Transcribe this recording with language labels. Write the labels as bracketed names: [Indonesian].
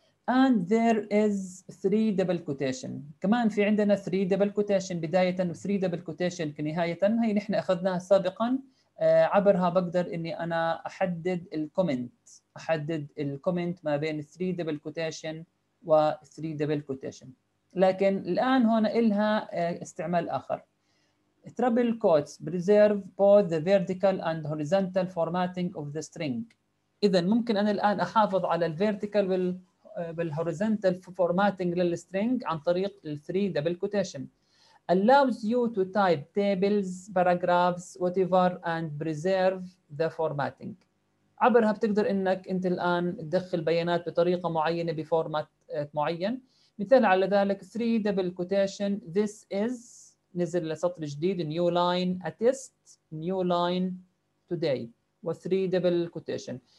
[English] And there is three double quotation. [Arabic] كمان في عندنا [English] three double quotation بداية و three double quotation كنهاية. [Arabic] هاي نحن اخذناها سابقا، عبرها بقدر اني انا احدد الكومنت، احدد الكومنت ما بين three double quotation و three double quotation. لكن الان هنا الها استعمال اخر. [English] Triple quotes preserve both the vertical and horizontal formatting of the string. [Arabic] إذا ممكن أنا الآن أحافظ على ال vertical وال horizontal formatting لل string عن طريق ال three double quotation. [English] Allows you to type tables, paragraphs, whatever and preserve the formatting. [Arabic] عبرها بتقدر إنك أنت الآن تدخل بيانات بطريقة معينة بفورمات معين. مثال على ذلك [English] three double quotation. This is [Arabic] نزل لسطر جديد [English] new line a test new line today و three double quotation.